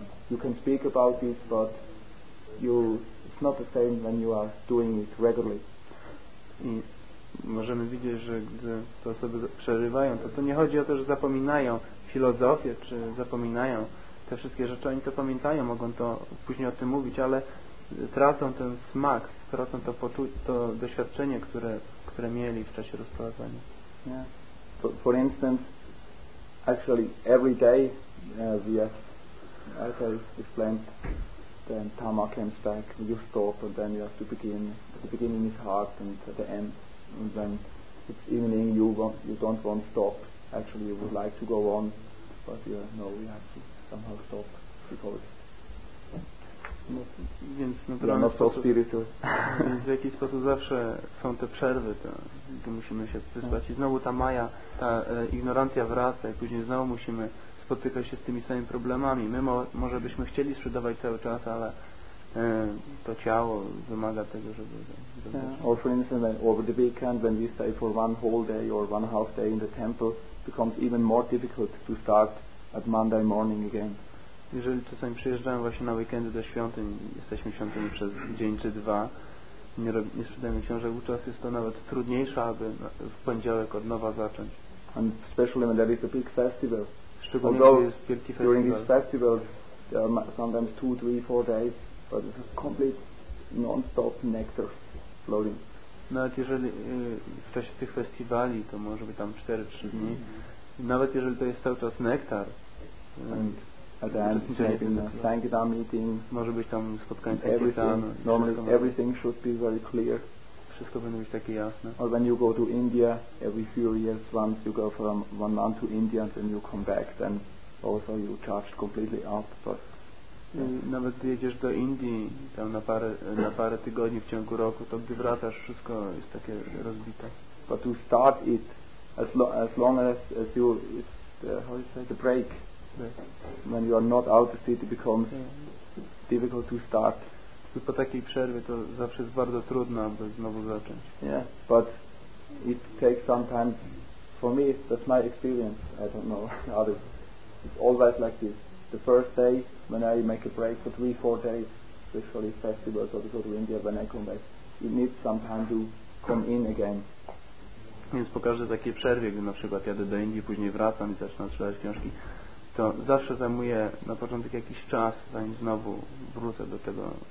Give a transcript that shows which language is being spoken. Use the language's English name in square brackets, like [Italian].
[English] You can speak about this, but it's not the same when you are doing it regularly. [Polish] I możemy widzieć, że gdy te osoby przerywają, to nie chodzi o to, że zapominają filozofię, czy zapominają te wszystkie rzeczy. Oni to pamiętają, mogą to później o tym mówić, ale tracą ten smak, tracą to doświadczenie, które mieli w czasie rozprowadzania. [English] Yeah. For instance, actually every day we have, as I explained, then tama comes back, you stop, and then you have to begin. The beginning is hard, and the end. And when it's evening, you don't want to stop. Actually, you would like to go on, but you know we have to somehow stop because. [Polish] Więc naturalnie no, w jakiś sposób zawsze są te przerwy, to musimy się wyspać. I znowu ta maja, ta ignorancja wraca i później znowu musimy spotykać się z tymi samymi problemami. My może byśmy chcieli sprzedawać cały czas, ale to ciało wymaga tego, żeby... [English] Or for instance, over the weekend when we stay for one whole day or one half day in the temple, becomes even more difficult to start at Monday morning again. [Polish] Jeżeli czasami przyjeżdżamy właśnie na weekendy do świątyń, jesteśmy w świątyni przez dzień czy dwa, nie sprzedajemy książek, wówczas jest to nawet trudniejsze, aby w poniedziałek od nowa zacząć. [English] And especially when there is a big festival. [Polish] Szczególnie kiedy jest wielki festival. [English] During this festival, there are sometimes 2, 3, 4 days, but it's a complete non-stop nectar flowing. [Polish] Nawet jeżeli w czasie tych festiwali, to może być tam 4-3 dni, nawet jeżeli to jest cały czas nektar, [English] at the end, maybe the Sangitam meeting. [Polish] Może być tam spotkanie Sangitana. [English] Normally everything should be very clear. [Polish] Wszystko powinno być takie jasne. [English] Or when you go to India, every few years once you go from one month to India and then you come back, then also you charge completely up. But, [Polish] nawet jedziesz do Indii tam na parę tygodni w ciągu roku, to gdy wracasz, wszystko jest takie rozbite. [English] But to start it, as long as you, it's the, how you say, the break. When you are not out of it, it becomes difficult to start. [Polish] Po takiej przerwie to zawsze jest bardzo trudno, aby znowu zacząć. [English] Yeah, but it takes some time. For me, that's my experience. I don't know others. It's always like this. The first day, when I make a break for 3-4 days, especially festivals or to go to India, when I come back, it needs some time to come in again. [Polish] Więc po każdej takiej przerwie, gdy na przykład jadę do Indii, później wracam i zaczynam sprzedawać książki, to zawsze zajmuje na początek jakiś czas, zanim znowu wrócę do tego.